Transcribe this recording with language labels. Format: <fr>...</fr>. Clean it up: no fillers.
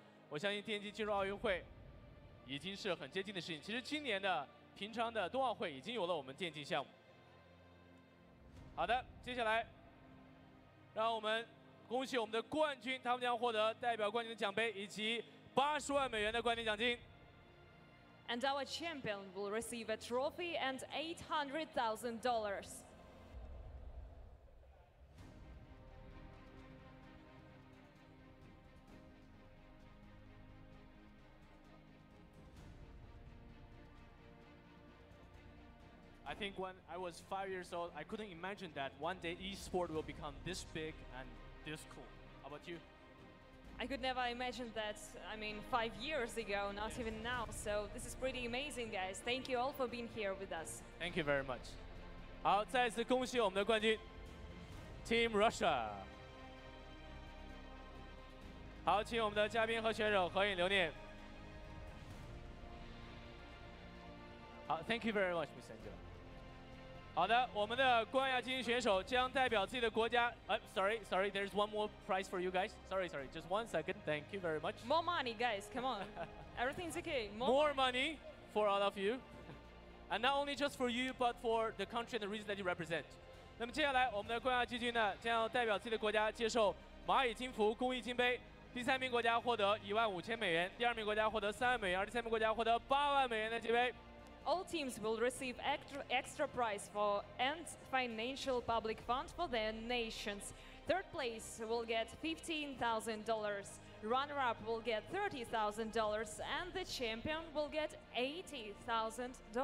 <zh>我相信电竞进入奥运会已经是很接近的事情。其实今年的平昌的冬奥会已经有了我们电竞项目。好的，接下来让我们恭喜我们的冠军，他们将获得代表冠军的奖杯以及$800,000的冠军奖金。</zh> <en>And our champion will receive a trophy and $800,000. I think when I was 5 years old, I couldn't imagine that one day e-sport will become this big and this cool. How about you? I could never imagine that, I mean, 5 years ago, not even now. So this is pretty amazing, guys. Thank you all for being here with us. Thank you very much.</en> <zh>好，再次恭喜我们的冠军 Team Russia. 好，请我们的嘉宾和选手合影留念。</zh> <en>好， Thank you very much, Ms. Angela.</en> <zh>好的，我们的冠亚精英选手将代表自己的国家。</zh> <en>Sorry, there's one more prize for you guys. Sorry, just one second. Thank you very much. More money, guys, come on. Everything's okay. More money for all of you. And not only just for you, but for the country and the region that you represent.</en> <zh>那么接下来，我们的冠亚季军呢，将要代表自己的国家接受蚂蚁金服公益金杯。第三名国家获得$15,000，第二名国家获得$30,000，而第三名国家获得$80,000的金杯。</zh> <en>All teams will receive extra prize for and financial public fund for their nations. Third place will get $15,000. Runner-up will get $30,000. And the champion will get $80,000.</en>